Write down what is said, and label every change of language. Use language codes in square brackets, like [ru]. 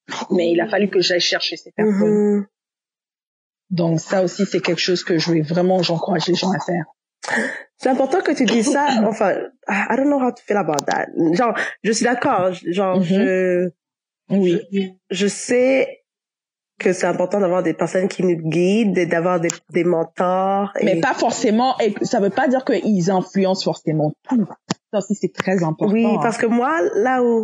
[fr] Mais il a fallu que j'aille chercher ces personnes. Mmh. Donc ça aussi, c'est quelque chose que j'encourage les gens à faire. C'est important que tu dises ça. Enfin, [en] I don't know how to feel about that. [fr] Genre, je suis d'accord. Genre, mmh, je sais que c'est important d'avoir des personnes qui nous guident, d'avoir des mentors. Mais pas forcément, et ça veut pas dire qu'ils influencent forcément tout. Ça aussi, c'est très important. Oui, parce que moi, là où...